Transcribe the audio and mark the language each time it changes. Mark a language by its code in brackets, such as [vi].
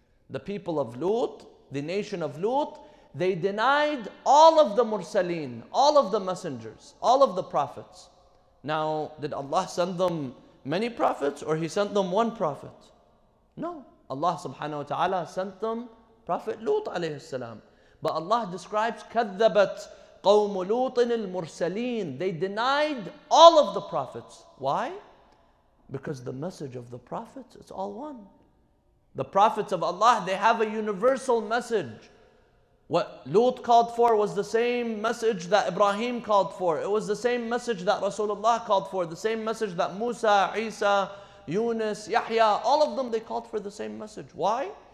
[en] The people of Lut, the nation of Lut, they denied all of the mursaleen, all of the messengers, all of the prophets. Now, did Allah send them many prophets, or he sent them one prophet? No. Allah subhanahu wa ta'ala sent them Prophet Lut alayhi salam. But Allah describes, [ar] كَذَّبَتْ قَوْمُ لُوطٍ الْمُرْسَلِينَ. [en] They denied all of the prophets. Why? Because the message of the prophets, it's all one. The prophets of Allah, they have a universal message. What Lut called for was the same message that Ibrahim called for. It was the same message that Rasulullah called for. The same message that Musa, Isa, Yunus, Yahya, all of them, they called for the same message. Why?